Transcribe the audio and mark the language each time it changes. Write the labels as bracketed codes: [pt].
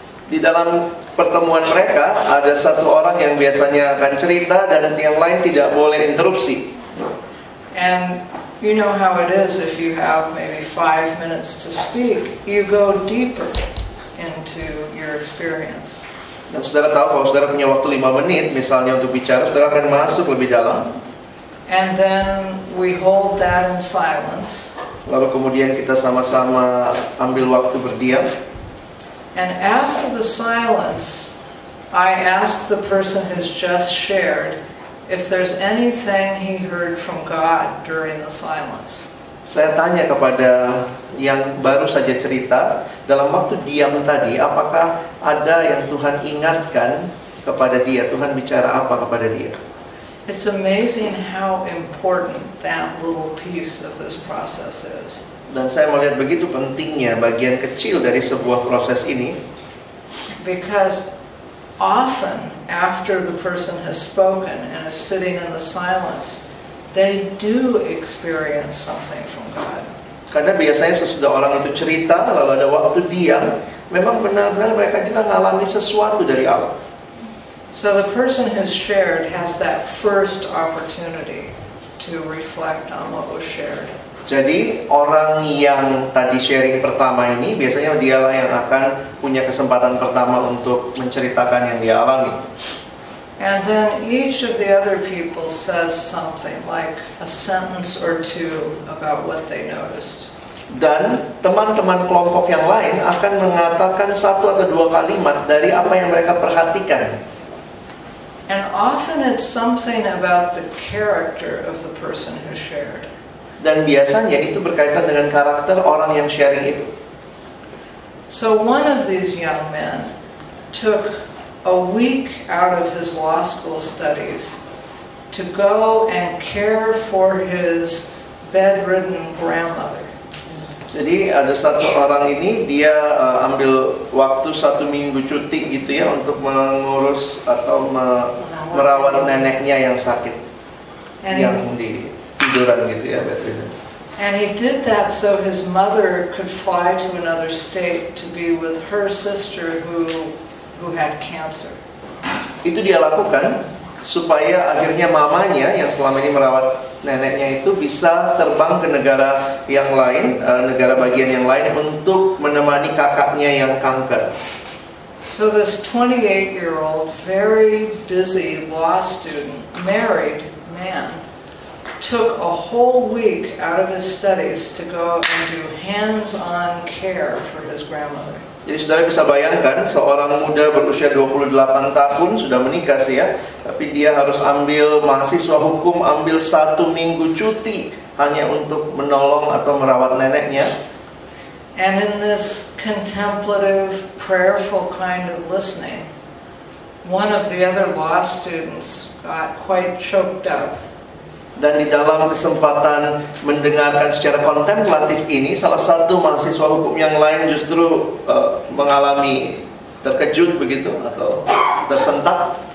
[id] Di dalam pertemuan mereka ada satu orang yang biasanya akan cerita dan yang lain tidak boleh interupsi. [en] And you know how it is, if you have maybe 5 minutes to speak, you go deeper into your experience. [id] Dan saudara tahu kalau saudara punya waktu 5 menit misalnya untuk bicara, saudara akan masuk lebih dalam. [en] And then we hold that in silence. [id] Lalu kemudian kita sama-sama ambil waktu berdiam. [en] And after the silence, I ask the person who's just shared if there's anything he heard from God during the silence. [id] Saya tanya kepada yang baru saja cerita, dalam waktu diam tadi, apakah ada yang Tuhan ingatkan kepada dia? Tuhan bicara apa kepada dia? [en] It's amazing how important that little piece of this process is. [id] Dan saya melihat begitu pentingnya bagian kecil dari sebuah proses ini. [en] Because often after the person has spoken and is sitting in the silence, they do experience something from God. [id] Karena biasanya sesudah orang itu cerita, lalu ada waktu diam, memang benar-benar mereka juga mengalami sesuatu dari Allah. [en] So the person who shared has that first opportunity to reflect on what was shared. [id] Jadi orang yang tadi sharing pertama ini biasanya dialah yang akan punya kesempatan pertama untuk menceritakan yang dia alami. [en] And then each of the other people says something like a sentence or two about what they noticed. [id] Dan teman-teman kelompok yang lain akan mengatakan satu atau dua kalimat dari apa yang mereka perhatikan. [en] And often it's something about the character of the person who shared. [id] Dan biasanya itu berkaitan dengan karakter orang yang sharing itu. [en] So one of these young men took a week out of his law school studies to go and care for his bedridden grandmother. [id] Jadi ada satu orang ini, dia ambil waktu 1 minggu cuti gitu ya untuk mengurus atau merawat neneknya yang sakit. And yang di tiduran gitu ya, bedridden. [en] And he did that so his mother could fly to another state to be with her sister who had cancer. [id] Itu dia lakukan supaya akhirnya mamanya yang selama ini merawat neneknya itu bisa terbang ke negara yang lain, negara bagian yang lain untuk menemani kakaknya yang kanker. [en] So this 28-year-old, very busy law student, married man, took a whole week out of his studies to go and do hands-on care for his grandmother. [id] Jadi saudara bisa bayangkan, seorang muda berusia 28 tahun, sudah menikah sih ya, tapi dia harus ambil mahasiswa hukum, ambil satu minggu cuti hanya untuk menolong atau merawat neneknya. [en] And in this contemplative, prayerful kind of listening, one of the other law students got quite choked up. [id] Dan di dalam kesempatan mendengarkan secara kontemplatif ini, salah satu mahasiswa hukum yang lain justru mengalami terkejut begitu atau tersentak.